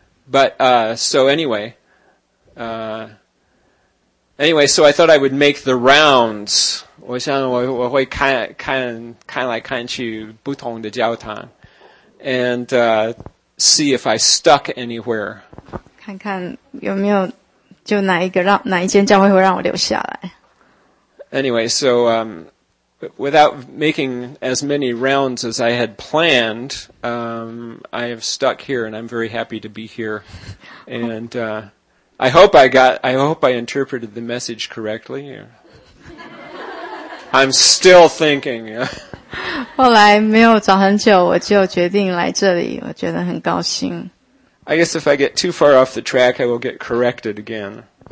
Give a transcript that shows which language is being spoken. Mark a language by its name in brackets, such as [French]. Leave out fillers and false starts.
[English] But, so anyway, so I thought I would make the rounds. [Chinese] 我想我会看来看去不同的教堂。 [English] And, see if I stuck anywhere. [Chinese] 看看有没有就哪一间教会会让我留下来。 [English] Anyway, so, without making as many rounds as I had planned, I have stuck here and I'm very happy to be here. And I hope I interpreted the message correctly. I'm still thinking. [Chinese] 后来没有找很久，我就决定来这里，我觉得很高兴。 [English] I guess if I get too far off the track, I will get corrected again.